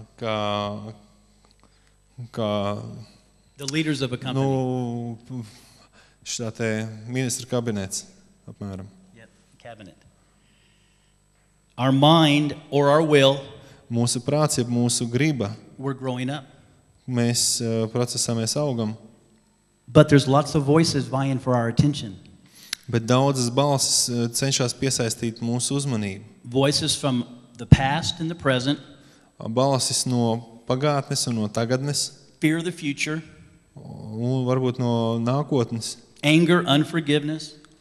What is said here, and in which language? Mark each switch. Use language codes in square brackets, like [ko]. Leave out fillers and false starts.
[lv] Kā [en] the leaders of a company. [lv] Nu, šitātē, ministra kabinets, apmēram. [en] Yep, cabinet. Our mind or our will. [lv] Mūsu prāts, jeb mūsu griba. [en] We're growing up. [lv] Mēs procesā mēs augam. [en] But there's lots of voices vying for our attention. [lv] Bet daudzas balsis cenšas piesaistīt mūsu uzmanību. [en] Voices from the past and the present. [lv] Balsis no pagātnes un no tagadnes. [en] Fear the future. [lv] Un varbūt no nākotnes. [en] Anger, unforgiveness.